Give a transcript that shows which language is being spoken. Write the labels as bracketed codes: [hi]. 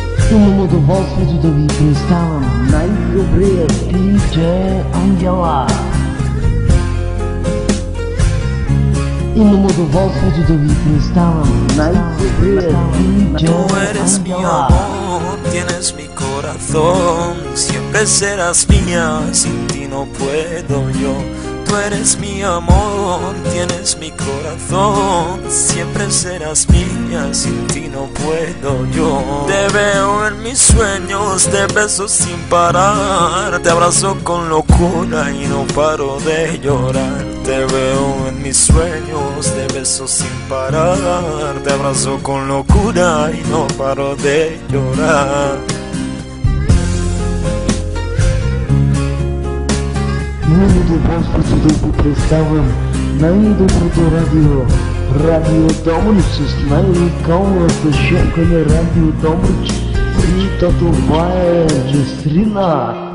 [bg] Имам удоволствието да ви представам най-добрият DJ Ангела. Имам удоволствието да ви представам най-добрият DJ Ангела. [es] Tienes mi corazón, siempre serás mía, sin ti no puedo yo. Tú eres mi amor, tienes mi corazón, siempre serás mía, sin ti no puedo yo. Te veo en mis sueños, te beso sin parar, te abrazo con locura y no paro de llorar. Te veo en mis sueños, te beso sin parar, te abrazo con locura y no paro de llorar. [bg] Имам удоволствието да ви представям най-доброто радио, Радио Добрич, с най-уникалната шефка на Радио Добрич, и то това е Неслина.